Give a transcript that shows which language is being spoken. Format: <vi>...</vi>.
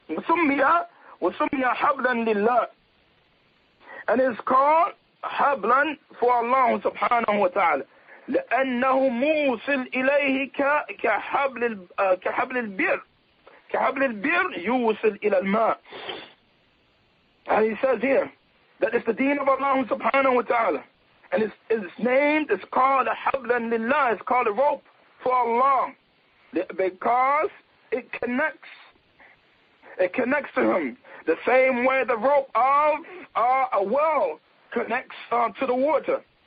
<ar>Wa summiya hablan lillah.</ar> <en>And it's called hablan for Allah subhanahu wa ta'ala.</en> <ar>لأنه موصل إليه كحبل البير. كحبل البير يوصل إلى الماء.</ar> <en>And he says here, that it's the deen of Allah subhanahu wa ta'ala. And it's named, it's called a hablan lillah, it's called a rope for Allah. Because it connects to him. The same way the rope of a well connects to the water.</en>